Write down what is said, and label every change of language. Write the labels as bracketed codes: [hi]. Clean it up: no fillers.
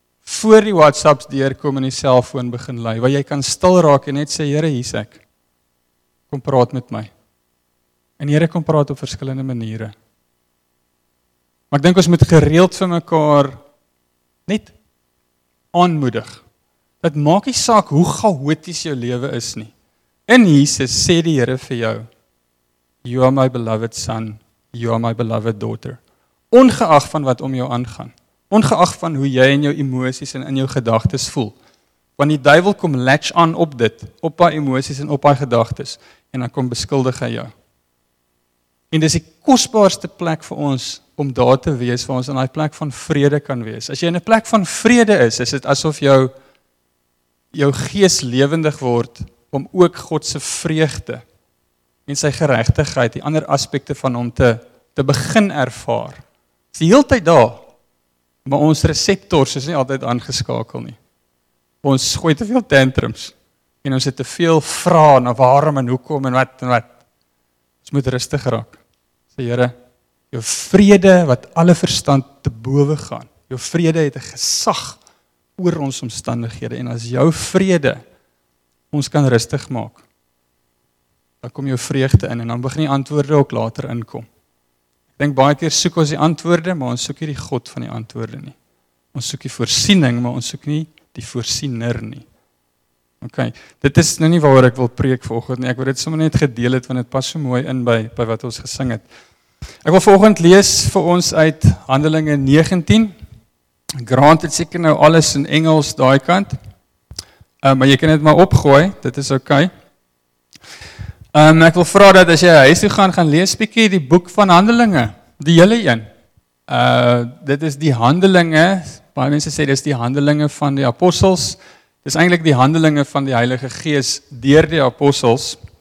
[af] voor die WhatsApps deurkom en die selfoon begin lui, waar jy kan stil raak en net sê, Here, hier's ek. Kom praat met my. En Here kom praat op verskillende maniere. Maar ek dink ons moet gereeld vir mekaar net aanmoedig. Dit maak nie saak hoe chaoties jou lewe is nie. In Jesus sê die Here vir jou, [en] You are my beloved son, you are my beloved daughter. [af] Ongeag van wat om jou aangaan, ongeag van hoe jy in jou emosies en in jou gedagtes voel, want die duivel kom latch aan op dit, op haar emosies en op haar gedagtes, en dan kom beskuldig hy jou. En dis die kosbaarste plek vir ons om daar te wees, waar ons in die plek van vrede kan wees. As jy in 'n plek van vrede is, is dit asof jou gees lewendig word om ook God se vreugde en sy geregtigheid, die ander aspekte van hom te begin ervaar. Dis die hele tyd daar, maar ons reseptors is nie altyd aangeskakel nie. Ons gooi te veel tantrums en ons het te veel vrae na waarom en hoekom en wat en wat. Ons moet rustig raak. Sê Here, jou vrede wat alle verstand te bowe gaan. Jou vrede het 'n gesag oor ons omstandighede en as jou vrede ons kan rustig maak, dan kom jou vreugde in en dan begin die antwoorde ook later inkom. Ek dink baie keer soek ons die antwoorde, maar ons soek nie die God van die antwoorde nie. Ons soek die voorsiening, maar ons soek nie die voorsiener nie. OK, dit is nou nie waar ek wil preek vanoggend nie. Ek wil dit sommer net gedeel het, want dit pas so mooi in by wat ons gesing het. Ek wil vanoggend lees vir ons uit Handelinge 19. Grant het seker nou alles in Engels daai kant. Maar jy kan dit maar opgooi, dit is OK. Ek wil vra dat as jy huis toe gaan lees bietjie die boek van Handelinge, die hele een. Dit is die Handelinge, baie mense sê dis die Handelinge van die apostels. Dis eintlik die Handelinge van die Heilige Gees deur die apostels.